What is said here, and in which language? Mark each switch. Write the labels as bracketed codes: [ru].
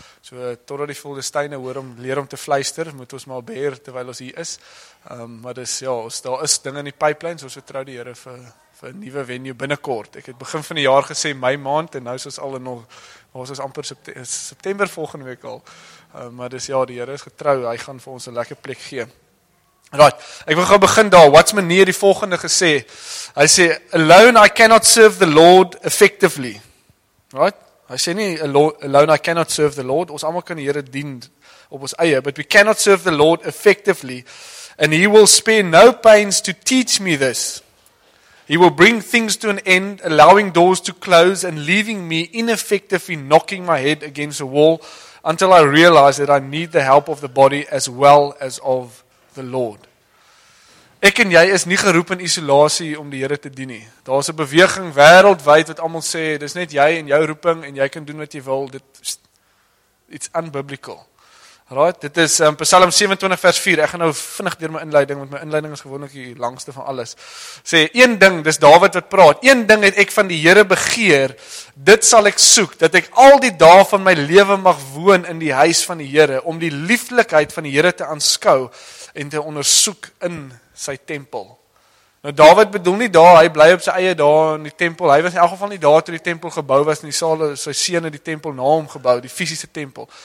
[af] So totdat die Filistyne hoor om leer om te fluister, moet ons maar beheer terwyl ons hier is. Maar dis ja, ons daar is dinge in die pipelines, ons vertrou die Here vir 'n nuwe venue binnekort. Ek het begin van die jaar gesê Mei maand en nou is ons al in nog ons is amper September volgende week al. Maar dis ja, die Here is getrou. Hy gaan vir ons 'n lekker plek gee. [en] Right, [af] ek wil gaan begin daar, wat's meneer die volgende gesê, hy sê, [en] alone I cannot serve the Lord effectively, right, [af] hy sê nie, [en] alone I cannot serve the Lord, [af] ons allemaal kan die Here dien op ons eie, [en] but we cannot serve the Lord effectively, and he will spare no pains to teach me this, he will bring things to an end, allowing doors to close, and leaving me ineffectively knocking my head against a wall, until I realize that I need the help of the body as well as of the Lord. [af] Ek en jy is nie geroep in isolasie om die Here te dien nie. Daar's 'n beweging wêreldwyd wat almal sê, dis net jy en jou roeping en jy kan doen wat jy wil. [en] Dit it's unbiblical. Right? [af] Dit is Psalm 27 vers 4. Ek gaan nou vinnig deur my inleiding, want my inleiding is gewoonlik die langste van alles. Sê een ding, dis Dawid wat praat. Een ding het ek van die Here begeer, dit sal ek soek, dat ek al die dae van my lewe mag woon in die huis van die Here om die lieflikheid van die Here te aanskou en te ondersoek in sy tempel. Nou Dawid bedoel nie daar, hy bly op sy eie daar in die tempel, hy was in elk geval nie daar toe die tempel gebou was, en die saal, sy seun het die tempel na hom gebou, die fisiese tempel.